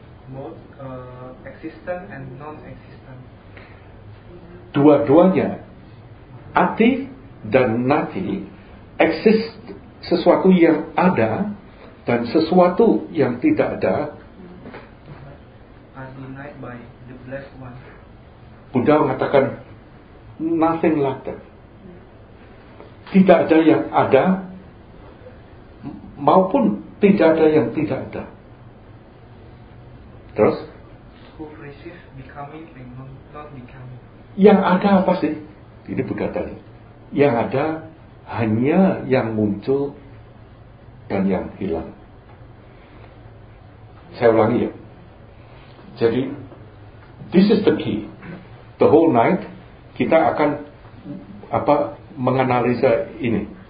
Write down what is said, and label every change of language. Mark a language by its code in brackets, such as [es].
[en] both existent and non-existent, [id] dua-duanya ati dan nati, exist sesuatu yang ada dan sesuatu yang tidak ada, [en] are denied by the Blessed One. [id] Buddha mengatakan [en] nothing like that. [id] Tidak ada yang ada maupun tidak ada yang tidak ada. Terus? [en] Who receives becoming and not becoming? [id] Yang ada apa sih? Ini berkata nih. Yang ada hanya yang muncul dan yang hilang. Saya ulangi ya. Jadi, [en] this is the key. The whole night [id] kita akan apa menganalisa ini.